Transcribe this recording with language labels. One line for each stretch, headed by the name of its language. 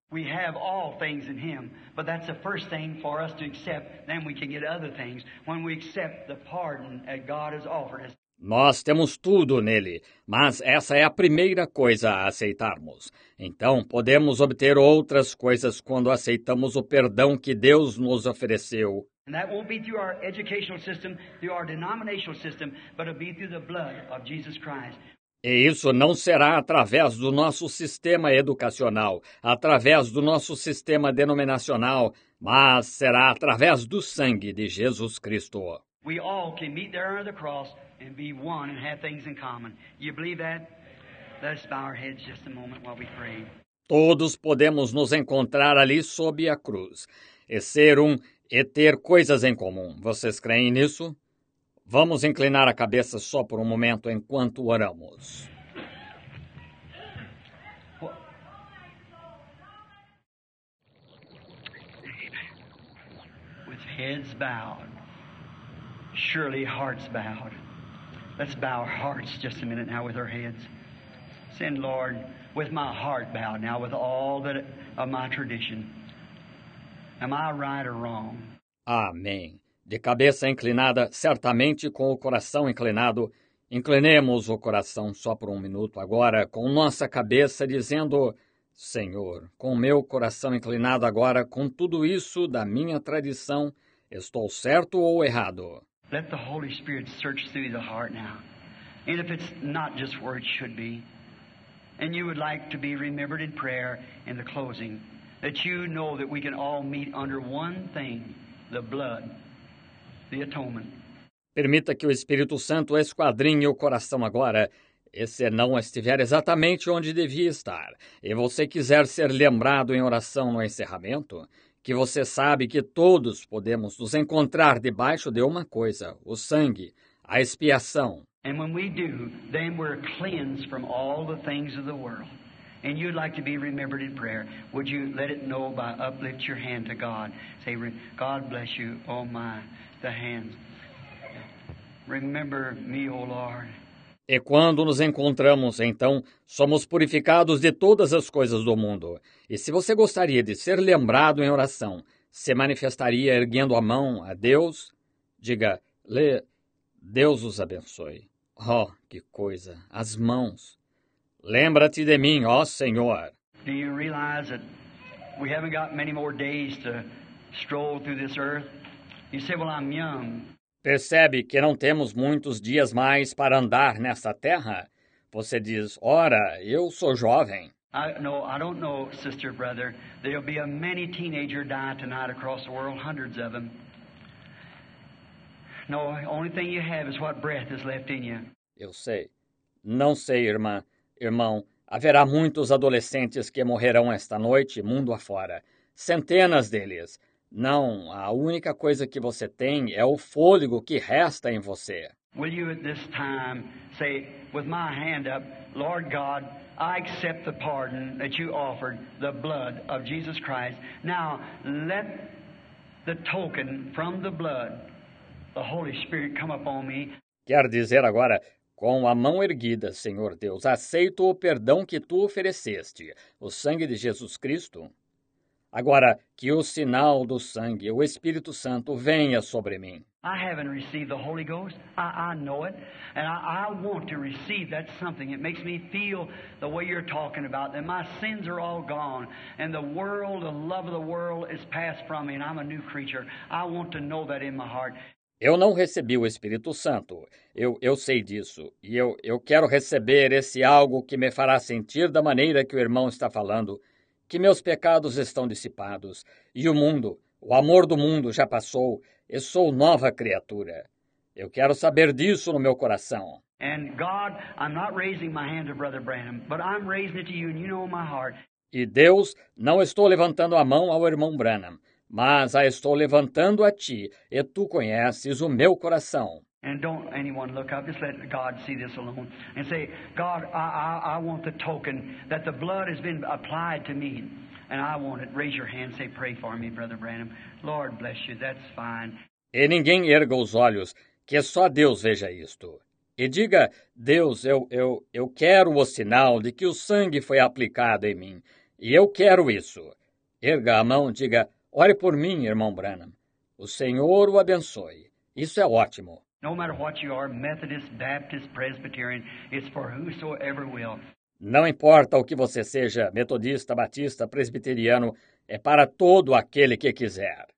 English: We have all things in Him, but that's the first thing for us to accept. Then we can get other things when we accept the pardon that God has offered us.
Portuguese: Nós temos tudo nele, mas essa é a primeira coisa a aceitarmos. Então, podemos obter outras coisas quando aceitamos o perdão que Deus nos ofereceu.
English: And that won't be through our educational system, through our denominational system, but it'll be through the blood of Jesus Christ.
Portuguese: E isso não será através do nosso sistema educacional, através do nosso sistema denominacional, mas será através do sangue de Jesus Cristo.
English: We all can meet there under the cross and be one and have things in common. You believe that? Let's bow our heads just a moment while we pray.
Portuguese: Todos podemos nos encontrar ali sob a cruz e ser um e ter coisas em comum. Vocês creem nisso? Vamos inclinar a cabeça só por um momento enquanto oramos.
English: With heads bowed, surely hearts bowed. Let's bow our hearts just a minute now with our heads. Send, Lord, with my heart bowed now, with all that of my tradition. Am I right or wrong?
Portuguese: Amém. De cabeça inclinada, certamente com o coração inclinado, inclinemos o coração só por um minuto agora, com nossa cabeça dizendo, Senhor, com meu coração inclinado agora, com tudo isso da minha tradição, estou certo ou errado?
English: Let the Holy Spirit search through the heart now, and if it's not just where it should be, and you would like to be remembered in prayer in the closing, that you know that we can all meet under one thing, the blood.
Portuguese: Permita que o Espírito Santo esquadrinhe o coração agora, e se não estiver exatamente onde devia estar, e você quiser ser lembrado em oração no encerramento, que você sabe que todos podemos nos encontrar debaixo de uma coisa, o sangue, a expiação.
English: And when we do, then we're cleansed from all the things of the world. And you'd like to be remembered in prayer. Would you let it know by uplift your hand to God? Say, God bless you, oh my, the hands. Remember me, oh Lord.
Portuguese: E quando nos encontramos, então, somos purificados de todas as coisas do mundo. E se você gostaria de ser lembrado em oração, se manifestaria erguendo a mão a Deus? Diga, Lê, Deus os abençoe. Oh, que coisa, as mãos. Lembra-te de mim, ó Senhor.
English: Do you realize that we haven't got many more days to stroll through this earth? You say, well, I'm young.
Portuguese: Percebe que não temos muitos dias mais para andar nesta terra? Você diz, ora, eu sou jovem.
English: I don't know, sister, brother. There'll be a many teenager die tonight across the world, hundreds of them. No, only thing you have is what breath is left in you.
Portuguese: Eu sei. Não sei, irmã. Irmão, haverá muitos adolescentes que morrerão esta noite, mundo afora. Centenas deles. Não, a única coisa que você tem é o fôlego que resta em você.
English: Will you at this time say, with my hand up, Lord God, I accept the pardon that you offered, the blood of Jesus Christ. Now, let the token from the blood, the Holy Spirit, come upon me.
Portuguese: Quer dizer agora, com a mão erguida, Senhor Deus, aceito o perdão que tu ofereceste, o sangue de Jesus Cristo. Agora, que o sinal do sangue, o Espírito Santo, venha sobre mim.
English: I haven't received the Holy Ghost. I know it. And I want to receive that something. It makes me feel the way you're talking about. That my sins are all gone. And the world, the love of the world is passed from me. And I'm a new creature. I want to know that in my heart.
Portuguese: Eu não recebi o Espírito Santo. Eu sei disso. E eu quero receber esse algo que me fará sentir da maneira que o irmão está falando, que meus pecados estão dissipados, e o mundo, o amor do mundo já passou, e sou nova criatura. Eu quero saber disso no meu coração.
English: And God, I'm not raising my hand to Brother Branham, but I'm raising it to you, and you know my heart.
Portuguese: E Deus, não estou levantando a mão ao irmão Branham, mas a estou levantando a ti, e tu conheces o meu coração.
English: And don't anyone look up, just let God see this alone. And say, God, I want the token that the blood has been applied to me. And I want it. Raise your hand, say, pray for me, Brother Branham. Lord, bless you, that's fine.
Portuguese: E ninguém erga os olhos, que só Deus veja isto. E diga, Deus, eu quero o sinal de que o sangue foi aplicado em mim. E eu quero isso. Erga a mão, diga, ore por mim, irmão Branham. O Senhor o abençoe. Isso é ótimo.
English: No matter what you are, Methodist, Baptist, Presbyterian, it's for whosoever will.
Portuguese: Não importa o que você seja, metodista, batista, presbiteriano, é para todo aquele que quiser.